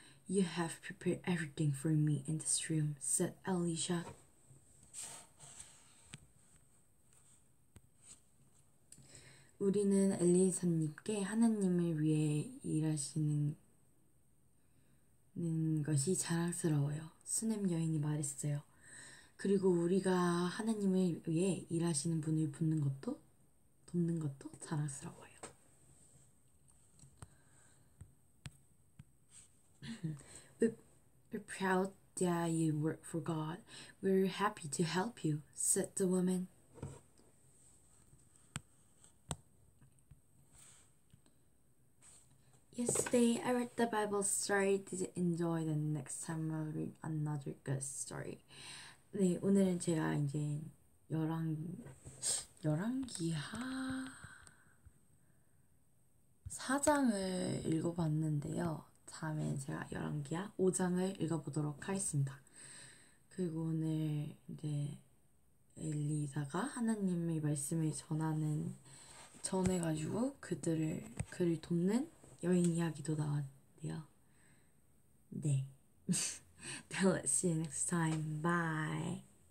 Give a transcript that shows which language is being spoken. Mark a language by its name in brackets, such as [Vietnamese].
[English] You have prepared everything for me in this room, said Elisha. [Korean] 우리는 엘리사님께 하나님을 위해 일하시는 것이 자랑스러워요. 수넴 여인이 말했어요. 그리고 우리가 하나님을 위해 일하시는 분을 붙는 것도, 돕는 것도 자랑스러워요. [English] We're proud that you work for God. We're happy to help you, said the woman. 'Yesterday, I read the Bible story. Did you enjoy? Then next time, I'll read another good story.' [Korean] 네, 오늘은 제가 이제 열왕기하 4장을 읽어봤는데요. 다음에 제가 열왕기하 5장을 읽어보도록 하겠습니다. 그리고 오늘 이제 엘리사가 하나님의 말씀을 전해가지고 그를 돕는 여인 이야기도 나왔대요. [English] 네. Then let's see you next time. Bye.